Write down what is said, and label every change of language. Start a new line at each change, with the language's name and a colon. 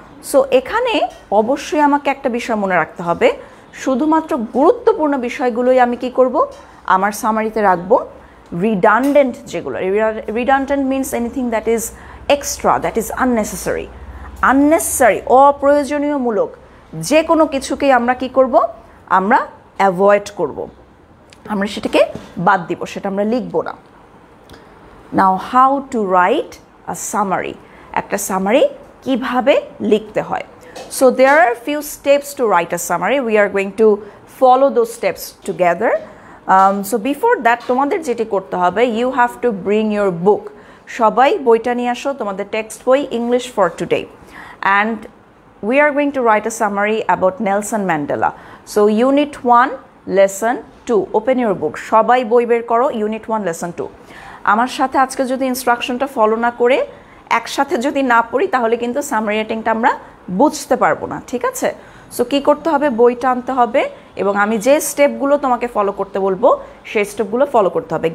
Bangla: So এখানে অবশ্যই আমাকে একটা বিষয় মনে রাখতে হবে, শুধুমাত্র গুরুত্বপূর্ণ বিষয়গুলোই আমি কি করব আমার সামারিতে রাখব, রিডান্ডেন্ট যেগুলো,
English: redundant means anything that is extra, that is unnecessary,
Bangla: unnecessary অপ্রয়োজনীয় মূলক যে কোনো কিছুকেই আমরা কি করব, আমরা অ্যাভয়েড করব, আমরা সেটাকে বাদ দিব, সেটা আমরা লিখব না।
English: now how to write a summary,
Bangla: ekta summary kibhabe likhte hoy.
English: So there are a few steps to write a summary. We are going to follow those steps together. So before that
Bangla: tomader jeti korte hobe,
English: you have to bring your book.
Bangla: Shobai boi ta niye asho, tomader text boi English for today.
English: And we are going to write a summary about Nelson Mandela. So unit 1 lesson 2, open your book.
Bangla: Shobai boi ber koro, unit 1 lesson 2. আমার সাথে আজকে যদি ইনস্ট্রাকশনটা follow না করে একসাথে যদি না পড়ি তাহলে কিন্তু সামারি রাইটিংটা আমরা বুঝতে পারবো না, ঠিক আছে? সো কী করতে হবে, বইটা আনতে হবে এবং আমি যে স্টেপগুলো তোমাকে ফলো করতে বলবো সেই স্টেপগুলো ফলো করতে হবে।